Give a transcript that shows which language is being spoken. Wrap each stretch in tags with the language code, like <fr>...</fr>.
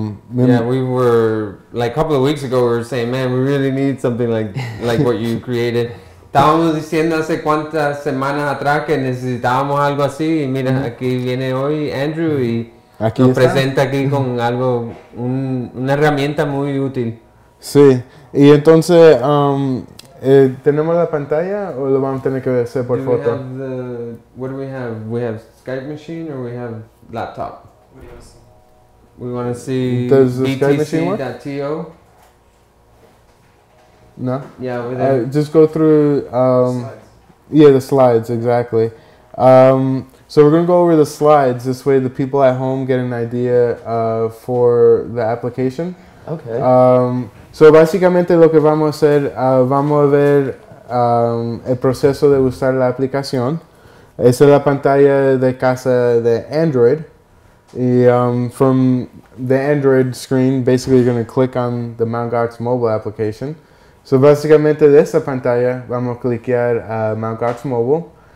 <en>We were, like a couple of weeks ago, we were saying, man, we really need something like what you created.</en> <es>Estábamos diciendo hace cuántas semanas atrás que necesitábamos algo así, y mira, aquí viene hoy Andrew y aquí nos está. Presenta aquí con algo, una herramienta muy útil. Sí, y entonces, ¿tenemos la pantalla o lo vamos a tener que hacer por foto?</es> <en>What do we have? We have Skype machine or we have laptop? We want to see btc.to. No? Yeah, with it. Just go through... slides. Yeah, the slides, exactly. So we're going to go over the slides. This way the people at home get an idea for the application. Okay.</en> <es>So básicamente lo que vamos a hacer, vamos a ver el proceso de usar la aplicación. Esa es la pantalla de casa de Android.</es> <en>Y from the Android screen, basically you're going to click on the Mt.</en> <es>Gox</es> <en>mobile application.</en> <es>So básicamente de esta pantalla vamos a cliquear a Mt. Gox Mobile.</es>